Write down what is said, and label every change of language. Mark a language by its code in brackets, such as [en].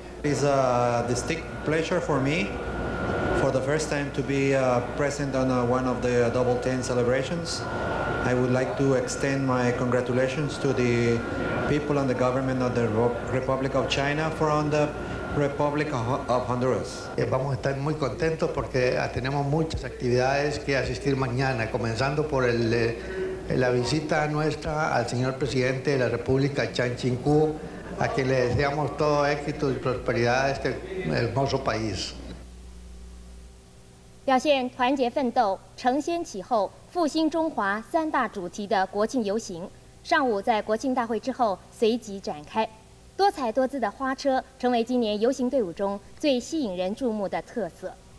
[en] It's a distinct pleasure for me, for the first time, to be present on one of the Double Ten celebrations. I would like to extend my congratulations to the people and the government of the Republic of China from the Republic of Honduras. [es] Vamos a estar muy contentos porque tenemos muchas actividades que asistir mañana, comenzando por la visita nuestra al señor presidente de la República, Chan Ching-ku, a quien le deseamos todo éxito y prosperidad a este hermoso país. [zh] 表现团结奋斗、承先启后、复兴中华三大主题的国庆游行，上午在国庆大会之后随即展开，多彩多姿的花车成为今年游行队伍中最吸引人注目的特色。